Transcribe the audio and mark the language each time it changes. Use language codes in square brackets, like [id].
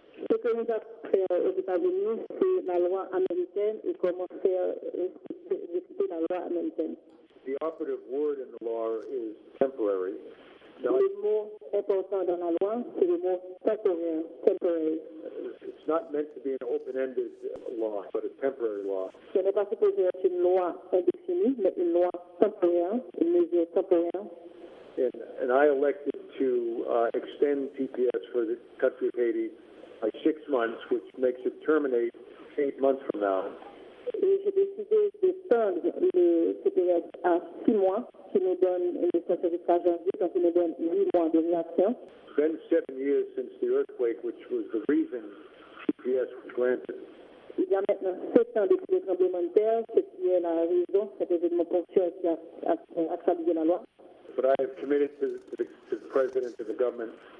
[fr] Ce que nous avons aux États-Unis, c'est la loi américaine et comment faire respecter la loi américaine. [en] The operative word in the law is temporary. [fr] Le mot important dans la loi, c'est le mot temporary. [en] It's not meant to be an open-ended law, but a temporary law. [fr] Ce n'est pas supposé être une loi indéfinie, mais une loi temporaire, une mesure temporaire. [en] And I elected to extend TPS for the country of Haiti by 6 months, which makes it terminate 8 months from now. [fr] Et j'ai décidé de faire le TPS à 6 mois, qui nous donne le certificat janvier, donc qui nous donne 8 mois de réaction. [en] 27 years since the earthquake, which was the reason TPS was granted. [fr] Il y a maintenant 7 ans depuis le tremblement de terre, ce qui est la raison, cet événement conscient qui a accablé la loi. [en] But I have committed to the president of the government